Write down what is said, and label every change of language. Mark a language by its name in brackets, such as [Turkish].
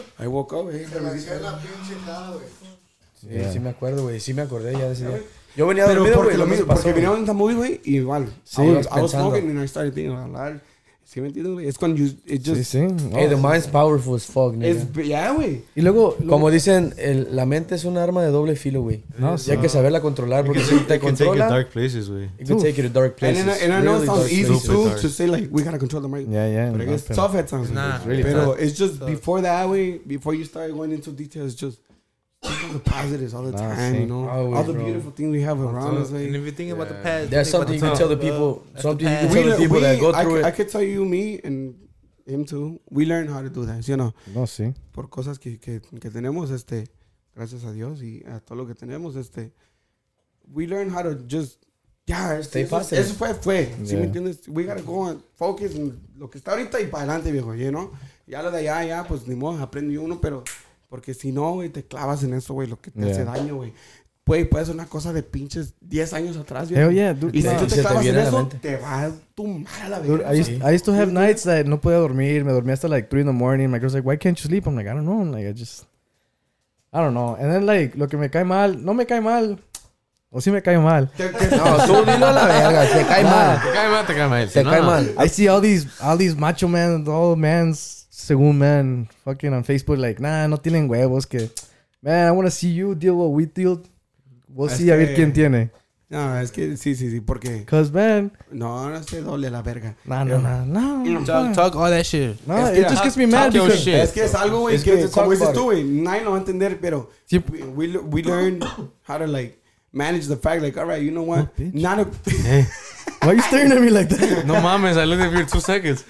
[English] I woke up, güey. [Spanish] Yeah. Sí, me acuerdo, güey. Sí, me acordé ya de ese día. Yo venía de dormido, güey. Porque venía en esta movie, güey. Y igual. [English] Sí, I was smoking and I started thinking about that. [Spanish] ¿Sí me entiendes, güey? Es cuando Sí, sí. [English] Wow. Hey, the mind's powerful as fuck, nigga. [Spanish] Ya, yeah, güey. Y luego, como dicen, la mente es un arma de doble filo, güey. No, y hay que saberla controlar. Porque si te controla... [English] It can take you to dark places, güey. It can take you to dark places. And really I know it sounds easy, too, to say, like, we gotta control the mic. Yeah, yeah. But it's tough at times. Nah, pero it's just before that, güey, before you start going into details, just... The positives all the time, same, you know, always, all the beautiful Things we have around us. Like, and if you think about the past, there's something you can tell the people. Something you can tell the people that go through it. I could tell you, me and him too. We learn how to do that, you know. [Spanish] No, sí. Por cosas que tenemos, gracias a Dios y a todo lo que tenemos, [English] we learn how to just, stay positive. [Spanish] Eso fue. Yeah. ¿Sí me entiendes? [English] We gotta go and focus [Spanish] en lo que está ahorita y para adelante, viejo. [English] You know, [Spanish] ya lo de allá, ya, pues ni modo, aprendí uno, pero. Porque si no, güey, te clavas en eso, güey, lo que te hace daño, güey. Puede ser una cosa de pinches 10 años atrás, güey. [English] Hell yeah, dude. [Spanish] Y si tú te clavas en eso, te va tu mala vida. [English] I used to have nights that [Spanish] no podía dormir. Me dormía hasta [English] like 3 in the morning. My girl's like, why can't you sleep? I'm like, I don't know. I'm like, I don't know. And then, like, [Spanish] lo que me cae mal, no me cae mal. O sí me cae mal. No, tú dilo a la verga. Te cae mal. Te cae mal. [English] I see all these macho men, all the men's. Según man, fucking on Facebook, like, nah, [Spanish] no tienen huevos, que... [English] Man, I want to see you deal what we deal. We'll see, [Spanish] a ver quién tiene. No, es que sí, porque... [English] Because, man... [Spanish] No se doble la verga. [English] Nah. Talk all that shit. No, es it just gets me mad because... Your shit. [Spanish] Es que es algo, güey, que como dices tú, güey, nadie lo va a entender, pero... Sí. [English] We learn how to, like, manage the fact, like, all right, you know what? Oh, not a... Why are you staring at me like that? [Spanish] No mames, [English] I looked at you for 2 seconds.